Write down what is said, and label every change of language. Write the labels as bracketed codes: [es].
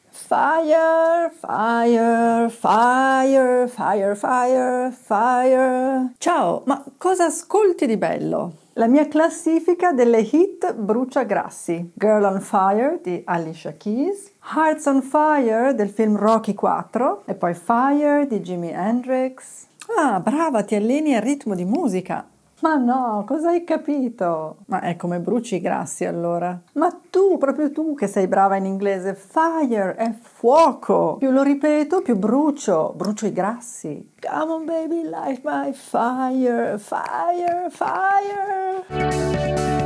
[en] Fire, fire, fire, fire, fire, fire. [it] Ciao, ma cosa ascolti di bello? La mia classifica delle hit brucia grassi. Girl on Fire di Alicia Keys, Hearts on Fire del film Rocky 4 e poi Fire di Jimi Hendrix. Ah, brava, ti alleni al ritmo di musica. Ma no, cosa hai capito? Ma è come bruci i grassi allora. Ma tu, proprio tu che sei brava in inglese, fire è fuoco. Più lo ripeto, più brucio. Brucio i grassi. [en] Come on baby, light my fire, fire, fire.